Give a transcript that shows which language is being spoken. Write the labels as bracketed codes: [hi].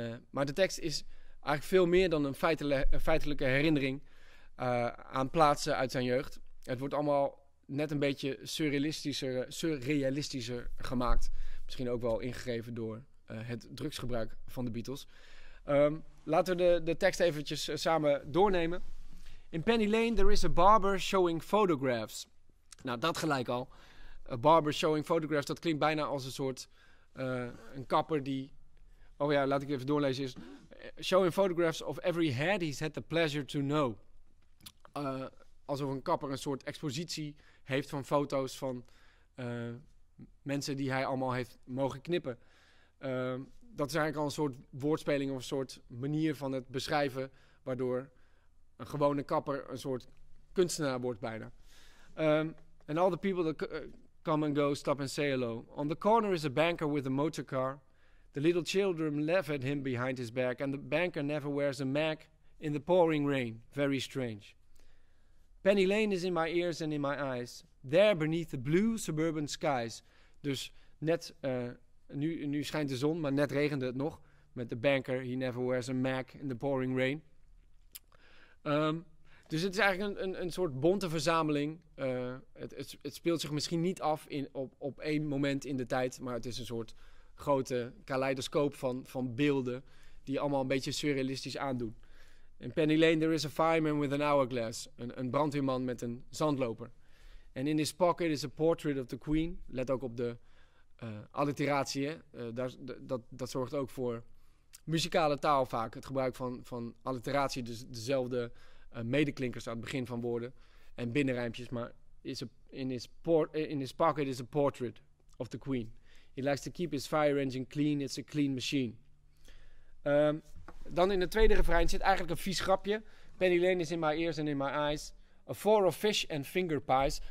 [nl] Maar de tekst is eigenlijk veel meer dan een feitelijke herinnering aan plaatsen uit zijn jeugd. Het wordt allemaal net een beetje surrealistischer gemaakt. Misschien ook wel ingegeven door het drugsgebruik van de Beatles. Laten we de tekst eventjes samen doornemen. [en] In Penny Lane there is a barber showing photographs. [nl] Nou, dat gelijk al. [en] A barber showing photographs, [nl] dat klinkt bijna als een soort een kapper die... Oh ja, laat ik even doorlezen. [en] Is showing photographs of every head he's had the pleasure to know. [nl] Alsof een kapper een soort expositie heeft van foto's van mensen die hij allemaal heeft mogen knippen. Dat is eigenlijk al een soort woordspeling of een soort manier van het beschrijven, waardoor een gewone kapper een soort kunstenaar wordt bijna. [en] And all the people that come and go, stop and say hello. On the corner is a banker with a motor car. The little children laugh at him behind his back. And the banker never wears a Mac in the pouring rain. Very strange. Penny Lane is in my ears and in my eyes. There beneath the blue suburban skies. [nl] Dus net, nu schijnt de zon, maar net regende het nog. Met de [en] banker, he never wears a Mac in the pouring rain. [nl] Dus het is eigenlijk een soort bonte verzameling. Het speelt zich misschien niet af op één moment in de tijd, maar het is een soort grote kaleidoscoop van beelden die allemaal een beetje surrealistisch aandoen. [en] In Penny Lane there is a fireman with an hourglass. [nl] Een brandweerman met een zandloper. [en] And in his pocket is a portrait of the Queen. [nl] Let ook op de alliteratie. Dat zorgt ook voor muzikale taal vaak. Het gebruik van alliteratie, dus dezelfde medeklinkers aan het begin van woorden en binnenrijmpjes, maar [en] in his pocket is a portrait of the Queen. He likes to keep his fire engine clean, it's a clean machine. [nl] Dan in het tweede refrein zit eigenlijk een vies grapje. [en] Penny Lane is in my ears and in my eyes. A four of fish and finger pies.